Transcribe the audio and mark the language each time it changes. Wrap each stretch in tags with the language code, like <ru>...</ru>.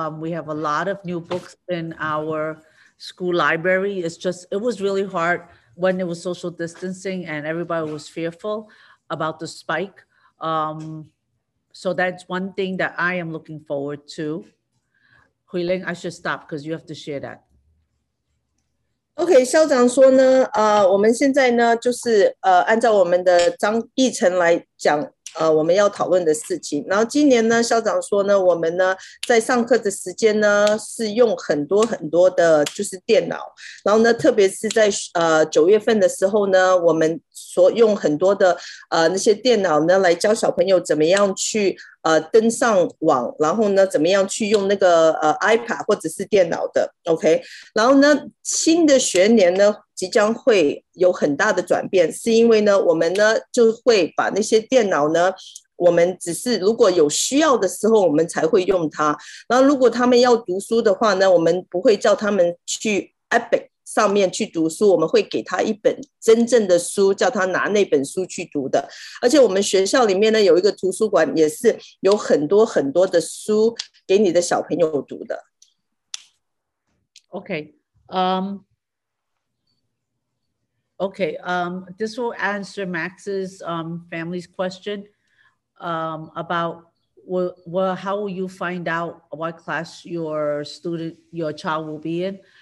<en>We have a lot of new books in our school library. It was really hard when it was social distancing and everybody was fearful about the spike. So that's one thing that I am looking forward to. Huiling, I should stop because you have to share that.</en> <zh>OK， 校长说呢，我们现在呢，就是按照我们的章议程来讲，我们要讨论的事情。然后今年呢，校长说呢，我们呢在上课的时间呢是用很多很多的，就是电脑。然后呢，特别是在九月份的时候呢，我们所用很多的那些电脑呢来教小朋友怎么样去登上网，然后呢怎么样去用那个iPad 或者是电脑的 OK。然后呢新的学年呢即将会有很大的转变，是因为呢我们呢就会把那些电脑呢我们只是如果有需要的时候我们才会用它，然后如果他们要读书的话呢，我们不会叫他们去 Epic 上面去读书，我们会给他一本真正的书，叫他拿那本书去读的。而且我们学校里面呢有一个图书馆，也是有很多很多的书给你的小朋友读的。</zh> <en>OK OK, this will answer Max's family's question about how will you find out what class your child will be in.</en>